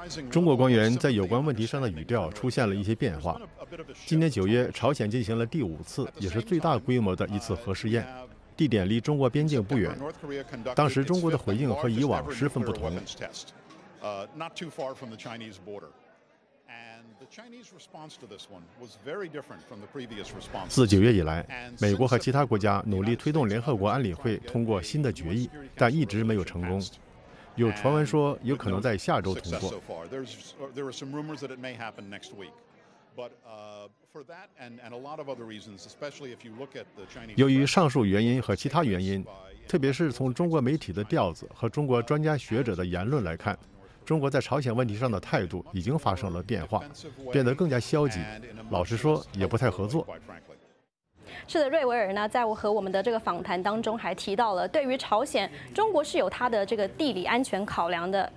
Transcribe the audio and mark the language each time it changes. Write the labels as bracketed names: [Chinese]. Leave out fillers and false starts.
[Chinese] 中国官员在有关问题上的语调出现了一些变化。今年9月，朝鲜进行了第五次也是最大规模的一次核试验，地点离中国边境不远，当时中国的回应和以往十分不同。 [English] not too far from the Chinese border. And the Chinese response to this one was very different from the previous response. [Chinese] 自九月以来，美国和其他国家努力推动联合国安理会通过新的决议，但一直没有成功。有传闻说有可能在下周通过。 [English] There are some rumors that it may happen next week. But for that and a lot of other reasons, especially if you look at the Chinese. [Chinese] 由于上述原因和其他原因，特别是从中国媒体的调子和中国专家学者的言论来看，中国在朝鲜问题上的态度已经发生了变化，变得更加消极。老实说，也不太合作。是的，瑞维尔呢，在我和我们的这个访谈当中还提到了，对于朝鲜，中国是有它的这个地理安全考量的。